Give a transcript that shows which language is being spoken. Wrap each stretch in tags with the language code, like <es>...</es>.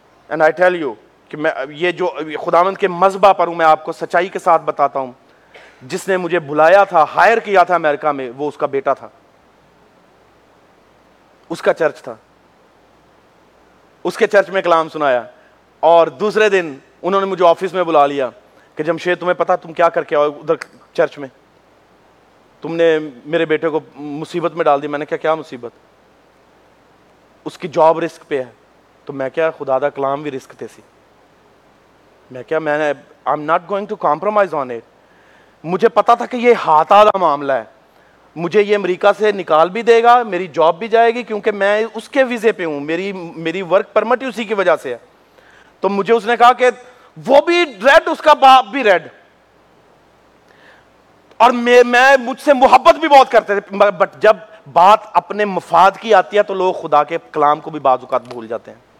<en>and I tell you</en> <ur>کہ میں یہ جو خداوند کے مذبح پر ہوں, میں آپ کو سچائی کے ساتھ بتاتا ہوں, جس نے مجھے بلایا تھا, ہائر کیا تھا امریکہ میں, وہ اس کا بیٹا تھا, اس کا چرچ تھا, اس کے چرچ میں کلام سنایا. اور دوسرے دن انہوں نے مجھے آفس میں بلا لیا کہ جمشید تمہیں پتا تم کیا کر کے آؤ ادھر چرچ میں, تم نے میرے بیٹے کو مصیبت میں ڈال دی. میں نے کہا کیا مصیبت. اس کی جاب رسک پہ ہے.</ur> <pa>تو میں کیا, خدا دا کلام بھی رسک تھے سی.</pa> <ur>میں کیا, میں</ur> <en>I am not going to compromise on it.</en> <ur>مجھے پتا تھا کہ یہ ہاتھ آدھا معاملہ ہے, مجھے یہ امریکہ سے نکال بھی دے گا, میری جاب بھی جائے گی کیونکہ میں اس کے ویزے پہ ہوں, میری ورک پرمٹ اسی کی وجہ سے ہے. تو مجھے اس نے کہا کہ وہ بھی ریڈ, اس کا باپ بھی ریڈ, اور میں مجھ سے محبت بھی بہت کرتے تھے, بٹ جب بات اپنے مفاد کی آتی ہے تو لوگ خدا کے کلام کو بھی بعض اوقات بھول جاتے ہیں.</ur>